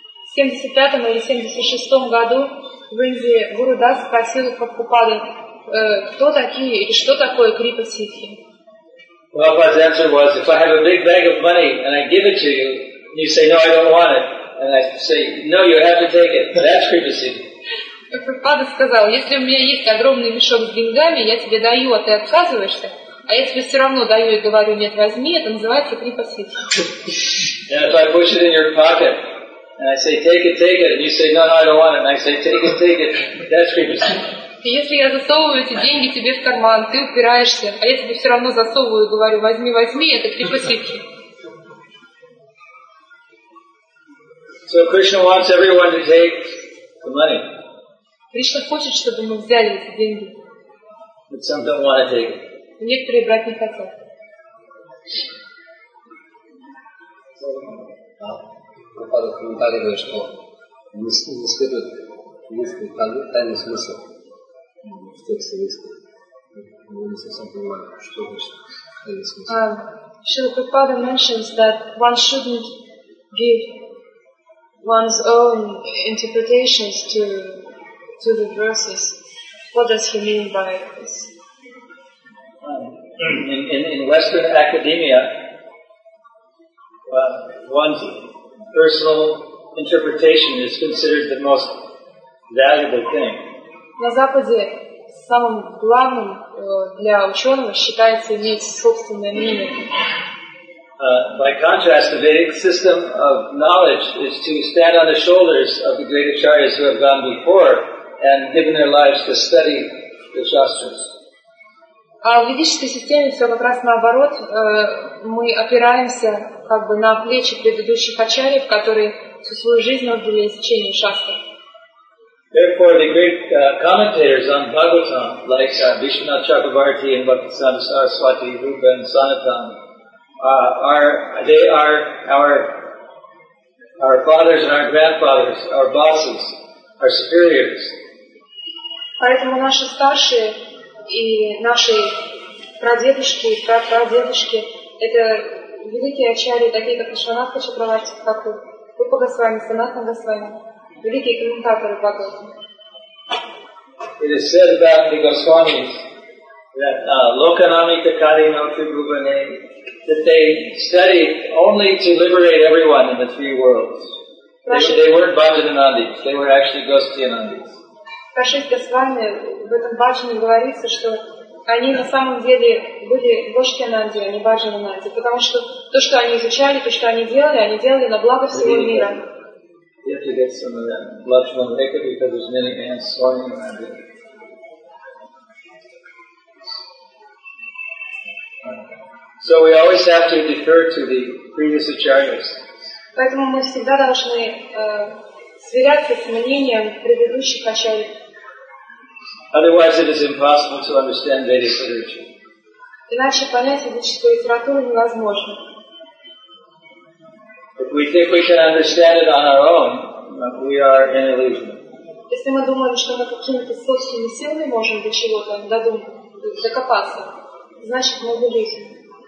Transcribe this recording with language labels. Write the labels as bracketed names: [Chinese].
[Russian] В 75 или 76 году в Индии Гурудас спросил Прабхупады, кто такие или что такое Крипа Сиддхи? [English] Prabhupada's answer was, if I have a big bag of money and I give it to you, you say, no, I don't want it. And I say, no, you have to take it. That's Kripa Siddhi. [Russian] Prabhupada сказал, если у меня есть огромный мешок с деньгами, я тебе даю, а ты отказываешься. А если все равно даю и говорю, нет, возьми, это называется Kripa Siddhi. [English] And if I push it in your pocket, and I say, take it, and you say, no, no, I don't want it. And I say, take it, that's Kripa Siddhi. [Russian] Если я засовываю эти деньги тебе в карман, ты упираешься. А я тебе все равно засовываю и говорю, возьми, это Kripa Siddhi. [English] So Krishna wants everyone to take the money. [Russian] Кришна хочет, чтобы мы взяли эти деньги. [English] But some don't want to take it. [Russian] Некоторые брать не хотят. Прабхупада в комментарии говорит, что не следует выискивать тайный смысл в тексте выискивать. Мы не совсем понимаем, что значит тайный смысл. [English] Шрила Прабхупада mentions that one shouldn't give one's own interpretations to to the verses. What does he mean by this? In Western academia, one's personal interpretation is considered the most valuable thing. [Russian] На Западе самым главным для ученого считается иметь собственное мнение. [English] By contrast, the Vedic system of knowledge is to stand on the shoulders of the great acharyas who have gone before and given their lives to study the shastras. [Russian] А в ведической системе все как раз наоборот. Мы опираемся как бы на плечи предыдущих ачарьев, которые всю свою жизнь отдали изучению шастр. [English] Therefore, the great commentators on Bhagavatam, like Vishwanath Chakravarti and Bhaktisiddhanta Saraswati, Rupa and Sanatan, they are our fathers and our grandfathers, our bosses, our superiors. [Russian] Поэтому наши старшие и наши прадедушки и прапрадедушки — это великие ачарьи, такие как Вишванатха Чакраварти, как Рупа Госвами, Санатана Госвами. Великие комментаторы Бхагаватам. [English] It is said about the Goswamis that [Sanskrit] Lokanami Takari no Tribhuvane, [English] that they studied only to liberate everyone in the three worlds. They weren't Bhajananandis, they were actually Gostiyanandis. [Russian] Кашист Госвами в этом бхаджане говорится, что они на самом деле были Гостиянанди, а не Бхаджананди, потому что то, что они изучали, то, что они делали на благо всего мира. [English] You have to get some of that Lakshman Rekha because there's many ants swarming around here. So we always have to defer to the previous acharyas. [Russian] Поэтому мы всегда должны сверяться с мнением предыдущих ачарий. [English] Otherwise it is impossible to understand Vedic literature. [Russian] Иначе понять ведическую литературу невозможно. [English] If we think we can understand it on our own, we are in illusion. [Russian] Если мы думаем, что мы какими-то собственными силами можем до чего-то додумать, докопаться, значит мы в иллюзии.